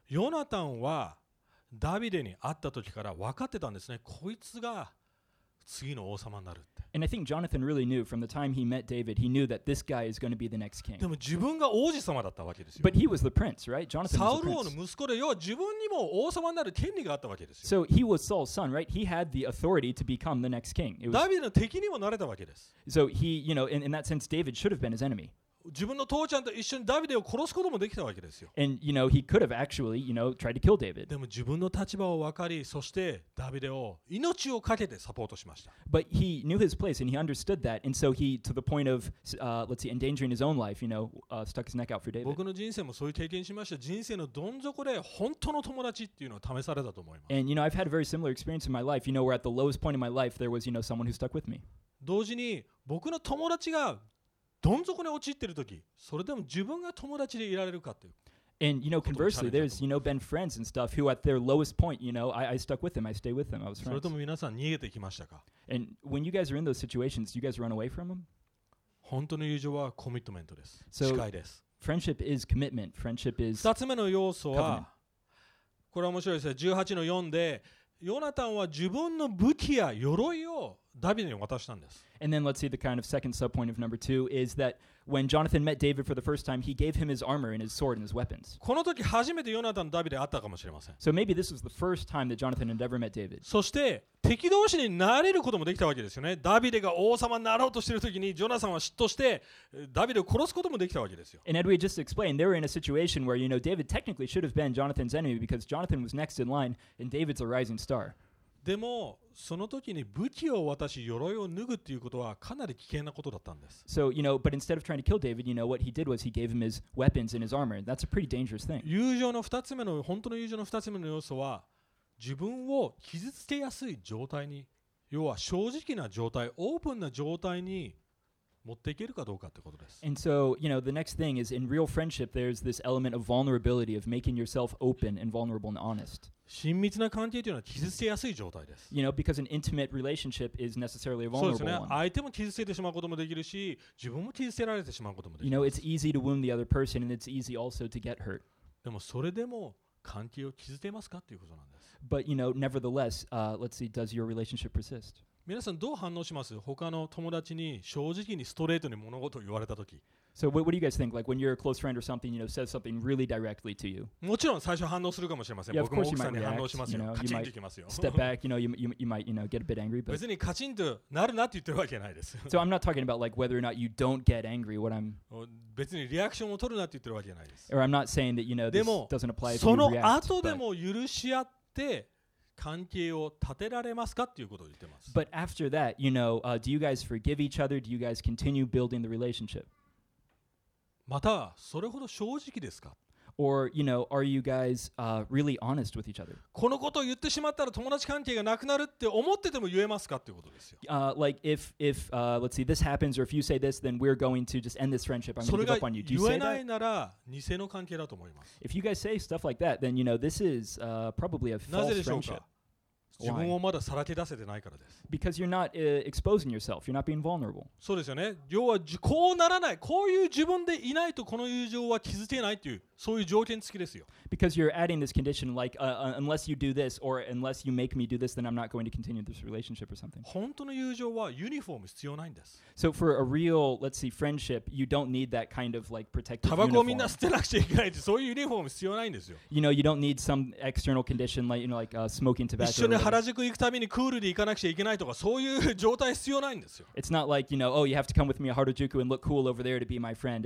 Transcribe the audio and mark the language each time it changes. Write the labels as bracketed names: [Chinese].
[Japanese] ヨナタンはダビデに会った時から分かってたんですね。こいつが次の王様になるって。 [English] And I think Jonathan really knew from the time he met David, he knew that this guy is going to be the next king. [Japanese] でも自分が王子様だったわけですよ。 [English] But he was the prince, right? Jonathan was the prince. [Japanese] サウル王の息子で、要は自分にも王様になる権利があったわけですよ。 [English] So he was Saul's son, right? He had the authority to become the next king. [Japanese] ダビデの敵にもなれたわけです。 [English] So he, you know, in that sense, David should have been his enemy. [Japanese] 自分の父ちゃんと一緒にダビデを殺すこともできたわけですよ。 [English] And you know, he could have actually, you know, tried to kill David. [Japanese] でも自分の立場を分かり、そしてダビデを命を懸けてサポートしました。 [English] But he knew his place and he understood that, and so he, to the point of, let's see, endangering his own life, you know, stuck his neck out for David. [Japanese] 僕の人生もそういう経験しました。人生のどん底で本当の友達っていうのを試されたと思います。 [English] And you know, I've had a very similar experience in my life. You know, where at the lowest point in my life, there was, you know, someone who stuck with me. [Japanese] 同時に僕の友達がどん底に陥ってる時、それでも自分が友達でいられるかっていう。 [English] And, you know, conversely, there's, you know, been friends and stuff who at their lowest point, you know, I stuck with them. I stay with them. I was friends. And when you guys are in those situations, do you guys run away from them? [Japanese] 本当の友情はコミットメントです。誓いです。 [English] Friendship is commitment. Friendship is covenant. [Japanese] 2つ目の要素は、これは面白いですね。18の4で、ヨナタンは自分の武器や鎧をダビデに渡したんです。 [English] And then let's see the kind of second subpoint of number two is that when Jonathan met David for the first time, he gave him his armor and his sword and his weapons. [Japanese] この時初めてヨナタンとダビデ会ったかもしれません。 [English] So maybe this was the first time that Jonathan had ever met David. [Japanese] そして敵同士になれることもできたわけですよね。ダビデが王様になろうとしている時にジョナサンは嫉妬してダビデを殺すこともできたわけですよ。 [English] And we just explained they were in a situation where, you know, David technically should have been Jonathan's enemy because Jonathan was next in line and David's a rising star. [Japanese] でもその時に武器を渡し鎧を脱ぐっていうことはかなり危険なことだったんです。 [English] So, you know, but instead of trying to kill David, you know, what he did was he gave him his weapons and his armor. That's a pretty dangerous thing. [Japanese] 友情の二つ目の本当の友情の二つ目の要素は自分を傷つけやすい状態に、要は正直な状態、オープンな状態に持っていけるかどうかということです。 [English] And so, you know, the next thing is in real friendship, there's this element of vulnerability, of making yourself open and vulnerable and honest. [Japanese] 親密な関係というのは傷つけやすい状態です。 [English] You know, because an intimate relationship is necessarily a vulnerable one. [Japanese] そうですね。相手も傷つけてしまうこともできるし、自分も傷つけられてしまうこともできる。 [English] You know, it's easy to wound the other person and it's easy also to get hurt. [Japanese] でもそれでも関係を傷つけますかということなんです。 [English] But you know, nevertheless, let's see, does your relationship persist? [Japanese] 皆さんどう反応します？他の友達に正直にストレートに物事を言われたとき。 [English] So what do you guys think? Like when you're a close friend or something, you know, says something really directly to you. [Japanese] もちろん最初反応するかもしれません。 [English] Yeah, of course [Japanese] 僕も奥さんに [English] react, [Japanese] 反応しますよ。 [English] You know, [Japanese] カチンときますよ。 [English] Step back, you know, you might, you know, get a bit angry. But [Japanese] 別にカチンとなるなって言ってるわけないです。 [English] So I'm not talking about like whether or not you don't get angry. What I'm [Japanese] 別にリアクションを取るなって言ってるわけないです。 [English] Or I'm not saying that, you know, this doesn't apply to you react. [Japanese] でもその後でも許し合って関係を立てられますかっていうことを言ってます。 [English] But after that, you know, do you guys forgive each other? Do you guys continue building the relationship? [Japanese] またそれほど正直ですか? [English] Or, you know, are you guys really honest with each other? [Japanese] このことを言ってしまったら友達関係がなくなるって思ってても言えますかっていうことですよ。 [English] Like if let's see, this happens or if you say this, then we're going to just end this friendship. I'm going to give up on you. Do you say that? [Japanese] 言えないなら偽の関係だと思います。 [English] If you guys say stuff like that, then you know this is probably a false friendship. [Japanese] 自分をまださらけ出せてないからです。 [English] Because you're not exposing yourself. You're not being vulnerable. [Japanese] そうですよね。要はこうならない。こういう自分でいないとこの友情は傷つけないという、そういう条件付きですよ。 [English] Because you're adding this condition like, unless you do this or unless you make me do this, then I'm not going to continue this relationship or something. [Japanese] 本当の友情はユニフォーム必要ないんです。 [English] So for a real, let's see, friendship, you don't need that kind of like protective uniform. [Japanese] タバコをみんな捨てなくちゃいけないって、そういうユニフォーム必要ないんですよ。 [English] You know, you don't need some external condition like, you know, like smoking tobacco. [Japanese] 原宿行くためにクールで行かなくちゃいけないとかそういう状態必要ないんですよ。 [English] It's not like, you know, oh, you have to come with me to Harajuku and look cool over there to be my friend.